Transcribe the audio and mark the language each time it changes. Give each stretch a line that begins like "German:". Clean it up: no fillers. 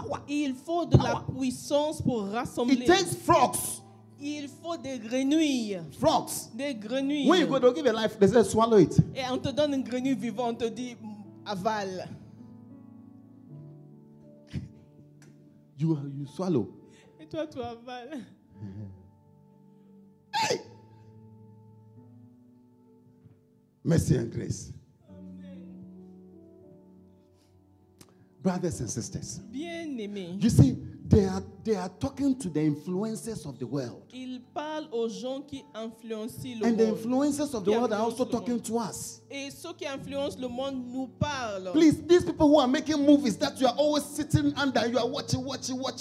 French: Il faut de la puissance pour rassembler.
English: It takes frogs.
French: Il faut des grenouilles.
English: Frogs.
French: Des grenouilles.
English: When you go, they give a life. They say swallow it.
French: Et on te donne une grenouille vivante. On te dit avale.
English: You swallow.
French: Et toi, tu avales.
English: Hey!
French: Merci
English: and grace. Brothers and sisters,
French: bien-aimés.
English: You see, they are talking to the influencers of the world.
French: Ils parlent aux gens qui influencent le monde.
English: And the influencers of the world are also talking to us.
French: Et ceux qui influencent le monde nous parlent.
English: Please, these people who are making movies that you are always sitting under, you are watching movies.